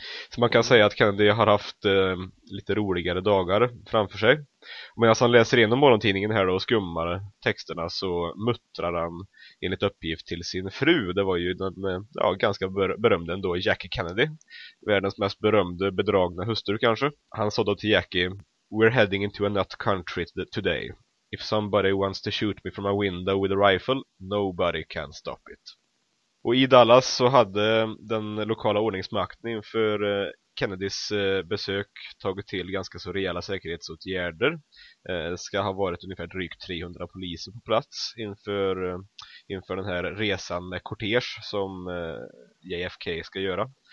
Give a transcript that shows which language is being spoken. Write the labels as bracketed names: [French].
[Swedish] Så man kan säga att Kennedy har haft lite roligare dagar framför sig. Men när han läser igenom morgontidningen här då och skummar texterna så muttrar han enligt uppgift till sin fru. Det var ju den ganska berömde ändå Jackie Kennedy, världens mest berömde bedragna hustru kanske. Han sa då till Jackie: [English] "We're heading into a nut country today. If somebody wants to shoot me from a window with a rifle, nobody can stop it." [Swedish] Och i Dallas så hade den lokala ordningsmakten inför Kennedys besök tagit till ganska så rejäla säkerhetsåtgärder. Det ska ha varit ungefär drygt 300 poliser på plats inför den här resan med kortege som JFK ska göra.